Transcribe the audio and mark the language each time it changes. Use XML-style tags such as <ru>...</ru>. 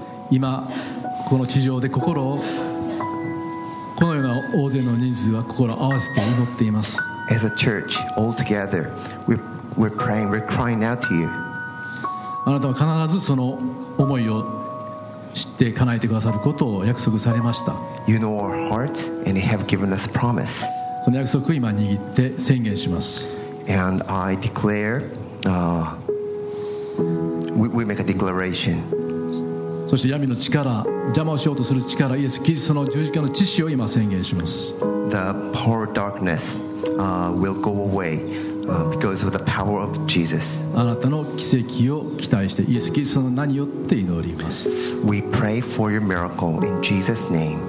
<ja>今この地上で心をこのような大勢の人数は心を合わせて祈っています。</ja> <en>As a church, all together, we're praying, we're crying out to you.</en> <ja>あなたは必ずその思いを知って叶えてくださることを約束されました。</ja> <en>You know our hearts, and you have given us a promise.</en> <ja>その約束を今握って宣言します。</ja> <en>And I declare, we make a declaration.</en> <ja>そして闇の力、邪魔をしようとする力、イエス・キリストの十字架の血潮を今宣言します。</ja> <en>The power of darkness, will go away, because of the power of Jesus.</en> <ja>あなたの奇跡を期待して、イエス・キリストの名によって祈ります。</ja> <en>We pray for your miracle in Jesus' name.</en>